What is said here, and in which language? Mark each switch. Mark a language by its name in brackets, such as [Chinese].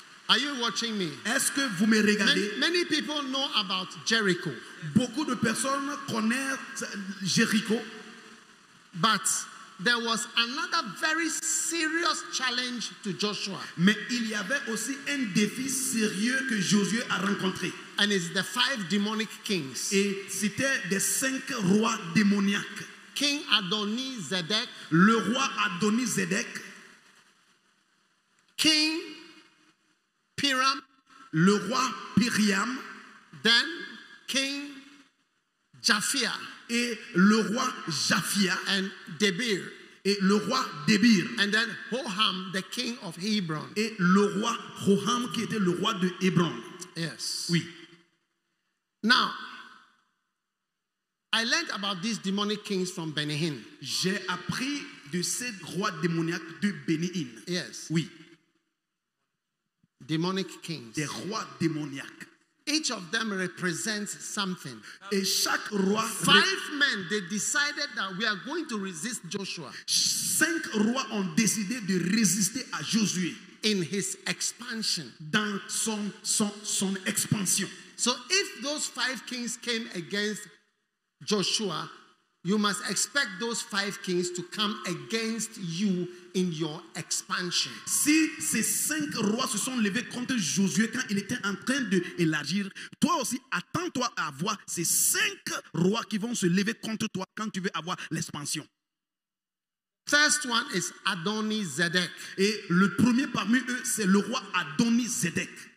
[English] Are you watching me? [French] Est-ce que vous me regardez? [English] Many people know about Jericho. [French] Beaucoup de personnes connaissent Jéricho. [English] But there was another very serious challenge to Joshua. [French] Mais il y avait aussi un défi sérieux que Josué a rencontré. [English] And it's the 5 demonic kings. [French] Et c'était des 5 rois démoniaques. [English] King Adonizedek, [French] le roi Adonizedek, [English] King Piram, [French] le roi Piram, [English] then King Japhia, [French] et le roi Japhia, [English] and Debir, [French] et le roi Debir, [English] and then Hoham, the king of Hebron, [French] et le roi Hoham qui était le roi de Hébron. [English] Yes. [French] Oui. [English] Now, I learned about these demonic kings from Benihin. [French] J'ai appris de ces rois démoniaques de Benihin. [English] Yes. [French] Oui. [English] Demonic kings. [French] Des rois démoniaques. [English] Each of them represents something. [French] Et chaque roi. [English] 5 men, they decided that we are going to resist Joshua. [French] 5 rois ont décidé de résister à Josué. [English] In his expansion. [French] Dans son expansion. [English] So if those 5 kings came against Joshua, you must expect those 5 kings to come against you in your expansion. [French] Si ces 5 rois se sont levés contre Josué quand il était en train de élargir, toi aussi attends-toi à voir ces 5 rois qui vont se lever contre toi quand tu veux avoir l'expansion. [English] First one is Adoni-Zedek. [French] Et le premier parmi eux, c'est le roi Adoni-Zedek.